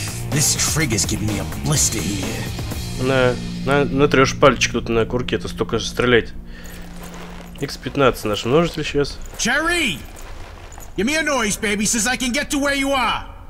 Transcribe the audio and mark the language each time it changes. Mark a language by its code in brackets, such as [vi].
[en] This frig is giving me a blister here. [ru] На трёшь пальчик тут на курке, это столько же стрелять. X15 наш множитель сейчас. [en] Cherry! Give me a noise, baby, so I can get to where you are.